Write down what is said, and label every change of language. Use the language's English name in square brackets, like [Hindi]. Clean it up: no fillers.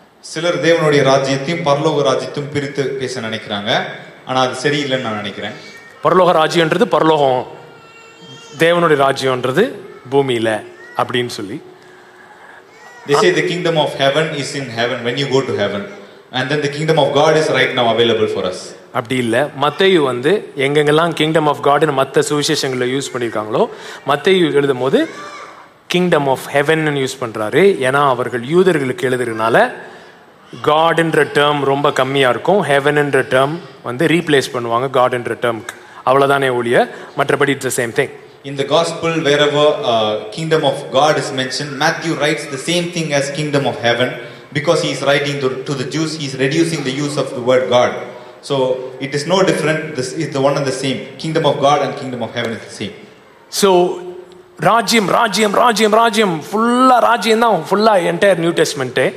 [Tamil] சிலர் தேவனுடைய ராஜ்யத்தையும் பரலோக ராஜ்யத்தையும் பிரித்து பேச நினைக்கிறாங்க. ஆனா அது சரியில்லைன்னு நான் நினைக்கிறேன். பரலோக ராஜ்யம்ன்றது பரலோகம், தேவனுடைய ராஜ்யம்ன்றது பூமியில அப்படின்னு சொல்லி. [English] They say the kingdom of heaven is in heaven when you go to heaven, and then the kingdom of God is right now available for us. [Tamil] அப்படி இல்ல. மத்தேயு வந்து எங்கெங்கெல்லாம் கிங்டம் ஆஃப் காட்னு மத்த சுவிசேஷங்கள யூஸ் பண்ணிருக்காங்களோ, மத்தேயு எழுதும் போது கிங்டம் ஆஃப் ஹெவன் யூஸ் பண்றாரு. ஏன்னா அவர்கள் யூதர்களுக்கு எழுதுறதுனால காட்ன்ற டேர்ம் ரொம்ப கம்மியா இருக்கும். ஹெவன்ன்ற டேர்ம் வந்து ரீப்ளேஸ் பண்ணுவாங்க காட்ன்ற டேர்ம்க்கு, அவ்வளவுதானே ஒழிய மற்றபடி [English] It's the same thing. In the gospel, wherever kingdom of God is mentioned, Matthew writes the same thing as kingdom of heaven. Because he is writing to the Jews, he is reducing the use of the word God. So it is no different. This is the one and the same. Kingdom of God and kingdom of heaven is the same. So Rajyam, fulla Rajyam now, fulla entire New Testament.